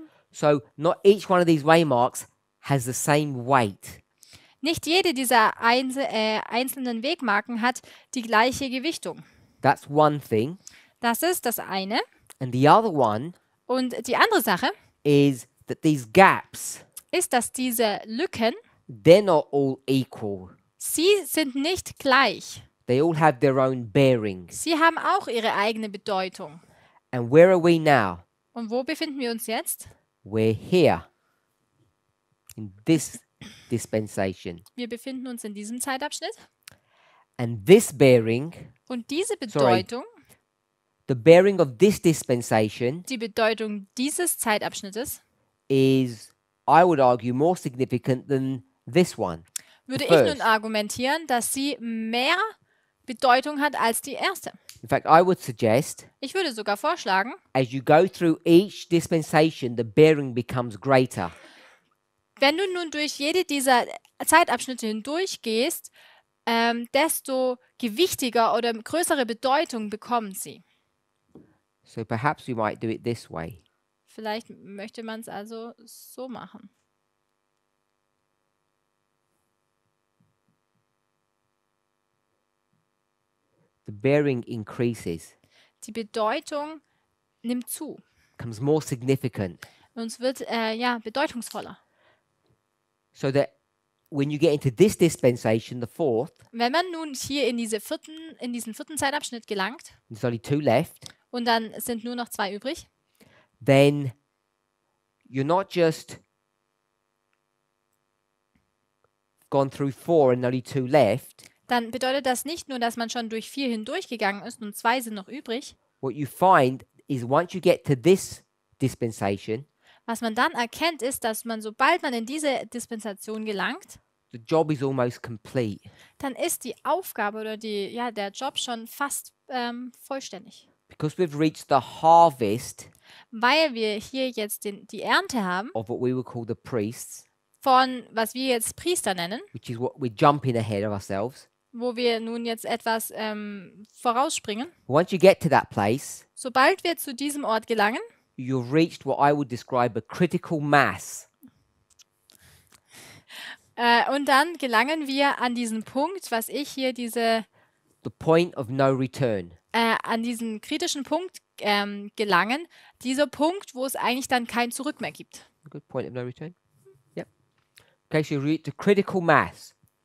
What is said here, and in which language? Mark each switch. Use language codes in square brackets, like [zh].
[en] So not each one of these waymarks has the same weight. [de] Nicht jede dieser einzelnen Wegmarken hat die gleiche Gewichtung. [en] That's one thing. [de] Das ist das eine. [en] And the other one. [de] Und die andere Sache. [en] Is that these gaps. [de] Ist, dass diese Lücken, [en] they're not all equal. [de] Sie sind nicht gleich. [en] They all have their own bearing. [de] Sie haben auch ihre eigene Bedeutung. [en] And where are we now? [de] Und wo befinden wir uns jetzt? [en] We're here. In this dispensation. [de] Wir befinden uns in diesem Zeitabschnitt. [en] And this bearing, [de] und diese Bedeutung, [en] the bearing of this dispensation, [de] die Bedeutung dieses Zeitabschnittes, [en] is, I would argue, more significant than this one. [de] Würde ich nun argumentieren, dass sie mehr Bedeutung hat als die erste. [en] In fact, I would suggest, [de] ich würde sogar vorschlagen, [en] as you go through each dispensation, the bearing becomes greater. [de] Wenn du nun durch jede dieser Zeitabschnitte hindurchgehst, desto gewichtiger oder größere Bedeutung bekommen sie. [en] So perhaps we might do it this way. [de] Vielleicht möchte man es also so machen. [en] The bearing increases. [de] Die Bedeutung nimmt zu. [en] Becomes more significant. [de] Und es wird ja bedeutungsvoller. [en] So that when you get into this dispensation, the fourth. [de] Wenn man nun hier in diese vierten, in diesen vierten Zeitabschnitt gelangt. [en] There's only two left. [de] Und dann sind nur noch zwei übrig. [en] Then you're not just gone through four and only two left. [de] Dann bedeutet das nicht nur, dass man schon durch vier hindurchgegangen ist und zwei sind noch übrig. [en] What you find is once you get to this dispensation, [de] was man dann erkennt, ist, dass man, sobald man in diese Dispensation gelangt, [en] the job is almost complete. [de] Dann ist die Aufgabe oder die, ja, der Job schon fast vollständig. [en] Because we've reached the harvest, [de] weil wir hier jetzt den, die Ernte haben, [en] of what we would call the priests, [de] von was wir jetzt Priester nennen, [en] which is what we're jumping ahead of ourselves, [de] wo wir nun jetzt etwas vorausspringen. [en] Once you get to that place, [de] sobald wir zu diesem Ort gelangen, [en] you've reached what I would describe a critical mass. [de] Und dann gelangen wir an diesen Punkt, was ich hier diese, [en] the point of no return. [de] An diesen kritischen Punkt gelangen, dieser Punkt, wo es eigentlich dann kein Zurück mehr gibt. [en] Good point of no return. Okay, so you reach the critical mass.